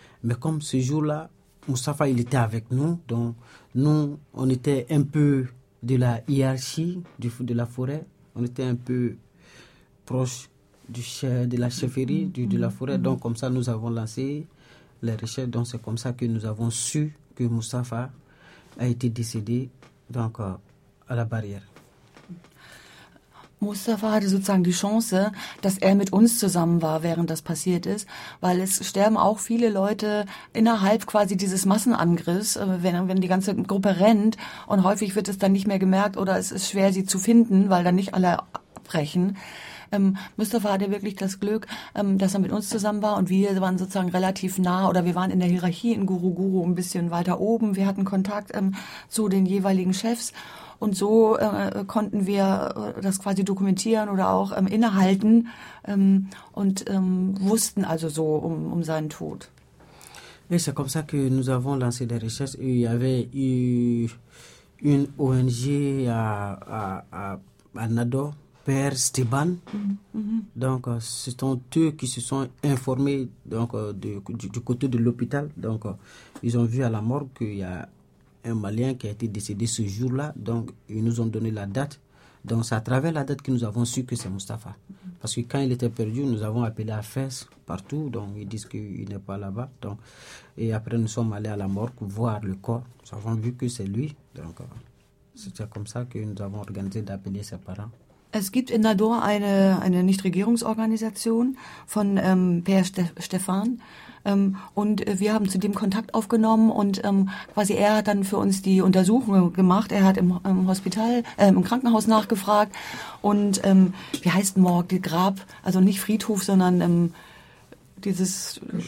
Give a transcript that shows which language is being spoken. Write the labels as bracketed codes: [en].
[fr] Mais comme ce jour-là, Mustafa, il était avec nous. Donc nous, on était un peu de la hiérarchie de la forêt. On était un peu proche de la chefferie de la forêt. Donc comme ça, nous avons lancé les recherches. Donc c'est comme ça que nous avons su que Mustafa a été décédé. Donc, à la barrière. [de] Mustafa hatte sozusagen die Chance, dass er mit uns zusammen war, während das passiert ist, weil es sterben auch viele Leute innerhalb quasi dieses Massenangriffs, wenn die ganze Gruppe rennt und häufig wird es dann nicht mehr gemerkt oder es ist schwer, sie zu finden, weil dann nicht alle abbrechen. Mustafa hatte wirklich das Glück, dass er mit uns zusammen war und wir waren sozusagen relativ nah oder wir waren in der Hierarchie in Guruguru ein bisschen weiter oben. Wir hatten Kontakt zu den jeweiligen Chefs und so konnten wir das quasi dokumentieren oder auch innehalten und wussten also so um seinen Tod. [fr] Et c'est comme ça que nous avons lancé des recherches. Il y avait une ONG à Nador. Père Stéban, donc ce sont eux qui se sont informés donc du côté de l'hôpital. Donc ils ont vu à la morgue qu'il y a un Malien qui a été décédé ce jour-là. Donc ils nous ont donné la date. Donc c'est à travers la date que nous avons su que c'est Mustafa. Parce que quand il était perdu, nous avons appelé à Fès partout. Donc ils disent qu'il n'est pas là-bas. Donc et après nous sommes allés à la morgue voir le corps. Nous avons vu que c'est lui. Donc c'était comme ça que nous avons organisé d'appeler ses parents. [de] Es gibt in Nador eine Nichtregierungsorganisation von Per Stefan. Und wir haben zu dem Kontakt aufgenommen und quasi er hat dann für uns die Untersuchung gemacht. Er hat im Hospital, im Krankenhaus nachgefragt und wie heißt Morg, die Grab, also nicht Friedhof, sondern dieses